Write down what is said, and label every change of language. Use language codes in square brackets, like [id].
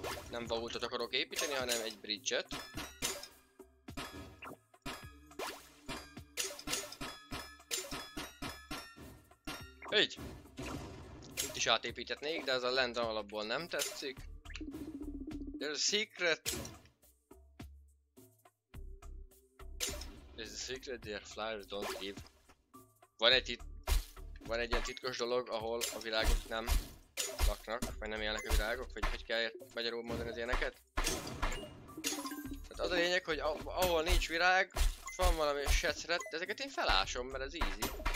[hu] Nem vaultot akarok építeni, hanem egy bridge-et. Így. Itt is átépíthetnék, de ez a lendon alapból nem tetszik. [en] There's a secret their flyers don't give. [hu] Van egy ilyen titkos dolog, ahol a virágok nem laknak, vagy nem élnek a virágok, vagy hogy kell magyarul mondani az ilyeneket. Tehát az a lényeg, hogy ahol nincs virág, van valami secret, de ezeket én felásom, mert ez easy.